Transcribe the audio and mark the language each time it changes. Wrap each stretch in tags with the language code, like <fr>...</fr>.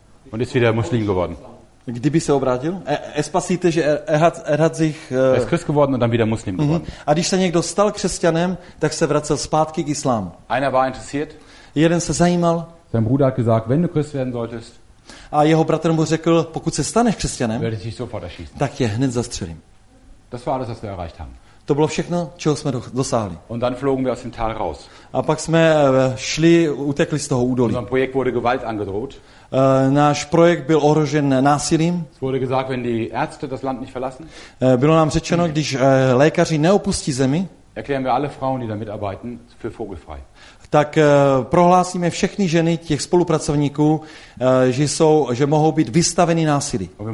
<de>und ist wieder Muslim geworden.</de> <cs>Kdyby se obrátil?</cs> <de>Er ist Christ geworden und dann wieder Muslim geworden.</de> <cs>A když se někdo stal křesťanem, tak se vracel zpátky k islámu.</cs> <de>Einer war interessiert.</de> <cs>Jeden se zajímal.</cs> <de>Sein Bruder hat gesagt, wenn du Christ werden solltest.</de> <cs>A jeho bratr mu řekl, pokud se staneš křesťanem,</cs> <de>werde ich dich sofort erschießen.</de> <cs>Tak je hned zastřelím.</cs> <de>Das war alles, was wir erreicht haben.</de> <cs>To bylo všechno, čeho jsme dosáhli.</cs> <de>Und dann flogen wir aus dem Tal raus.</de> <cs>A pak jsme šli, utekli z toho údolí.</cs> <de>Unser Projekt wurde Gewalt angedroht.</de> <cs>Náš projekt byl ohrožen násilím.</cs> <de>Es wurde gesagt, wenn die Ärzte das Land nicht verlassen.</de> <cs>Bylo nám řečeno, když lékaři neopustí zemi,</cs> <de>erklären wir alle Frauen, die da mitarbeiten, für vogelfrei.</de> <cs>Tak prohlásíme všechny ženy těch spolupracovníků, že mohou být vystaveny násilí.</cs>